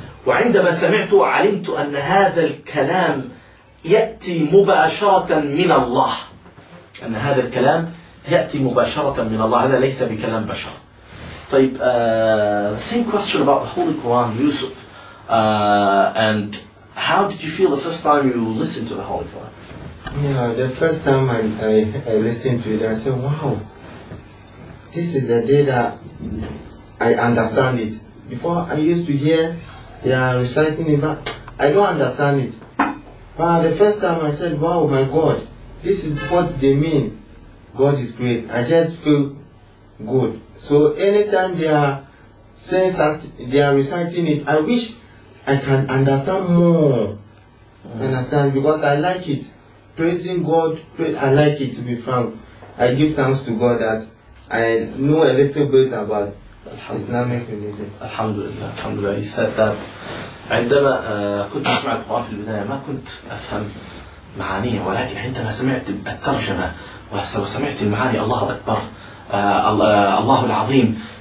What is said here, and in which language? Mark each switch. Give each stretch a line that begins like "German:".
Arabic: وعندما سمعت علمت أن هذا الكلام يأتي مباشرة من الله، أن هذا الكلام يأتي مباشرة من الله، هذا ليس بكلام بشر.
English: طيب same question about the Holy Quran, Yusuf, and how did you feel the first time you listened to the Holy Quran? Yeah, the first time I listened to it, I said, wow, this is the day that I understand it. Before, I used to hear Yeah, reciting it back. I don't understand it. But the first time I said, wow, my God, this is what they mean. God is great. I just feel good. So anytime they are saying something, they are reciting it, I wish I can understand more. Understand? Because I like it. Praising God, I like it, to be frank. I give thanks to God that I know a little bit about Islamic religion.
Arabic: Alhamdulillah, alhamdulillah.
English: He said that
Arabic: عندما كنت أسمع القرآن في البداية ما كنت أفهم معانيه، ولكن عندما سمعت الترجمة وسمعت المعاني الله أكبر الله العظيم،